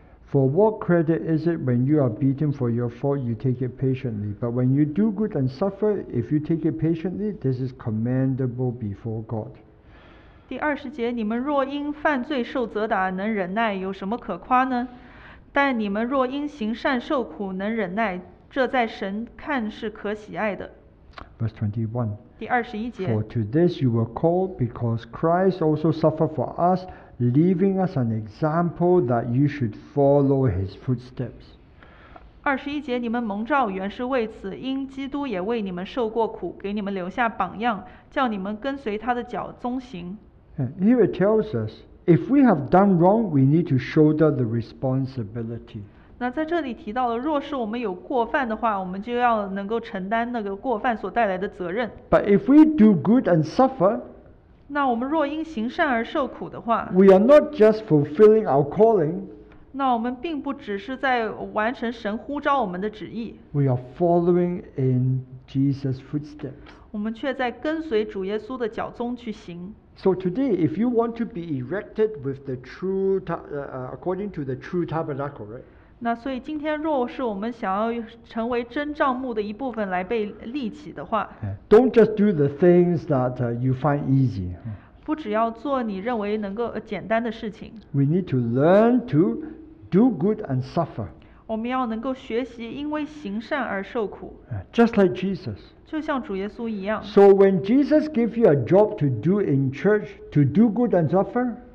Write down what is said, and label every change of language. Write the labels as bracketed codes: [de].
[en] For what credit is it when you are beaten for your fault, you take it patiently? But when you do good and suffer, if you take it patiently, this is commendable before God. [zh] 第二十节, 你们若因犯罪受责打, 能忍耐, 有什么可夸呢? 但你们若因行善受苦, 能忍耐, 这在神看是可喜爱的。 [en] Verse 21. [zh] 第二十一节, [en] For to this you were called, because Christ also suffered for us, leaving us an example that you should follow his footsteps. [zh] 21节, 你们蒙召原是为此, 因基督也为你们受过苦, 给你们留下榜样, 叫你们跟随他的脚踪行。 [en] Here it tells us, if we have done wrong, we need to shoulder the responsibility. [zh] 那在这里提到了, 若是我们有过犯的话, 我们就要能够承担那个过犯所带来的责任。 [en] But if we do good and suffer, [zh] 那我们若因行善而受苦的话, [en] we are not just fulfilling our calling, [zh] 那我们并不只是在完成神呼召我们的旨意, [en] we are following in Jesus' footsteps, [zh] 我们却在跟随主耶稣的脚踪去行。 [en] So today, if you want to be erected with the true, according to the true tabernacle, right? [zh] 那所以今天若是我们想要成为真帐幕的一部分来被立起的话, [en] don't just do the things that you find easy, [zh] 不只要做你认为能够简单的事情, [en] we need to learn to do good and suffer, [zh] 我们要能够学习因为行善而受苦, [en] just like Jesus, [zh] 就像主耶稣一样。 [en] So when Jesus gives you a job to do in church, to do good and suffer,